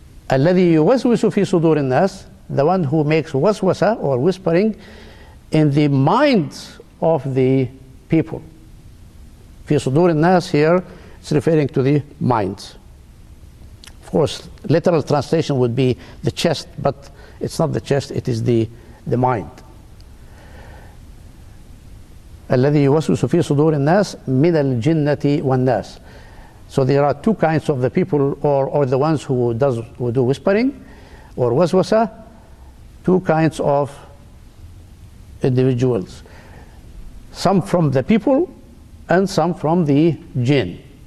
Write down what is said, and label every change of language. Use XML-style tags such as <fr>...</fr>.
<ar>الذي يوسوس في صدور الناس,</ar> <en>the one who makes waswasa or whispering in the minds of the people.</en> <ar>في صدور الناس,</ar> <en>here it's referring to the minds. Of course, literal translation would be the chest, but it's not the chest, it is the mind.</en> <ar>الذي يوسوس في صدور الناس من الجنة والناس.</ar> <en>So there are two kinds of the people, or the ones who do whispering or waswasa, two kinds of individuals, some from the people and some from the jinn.</en>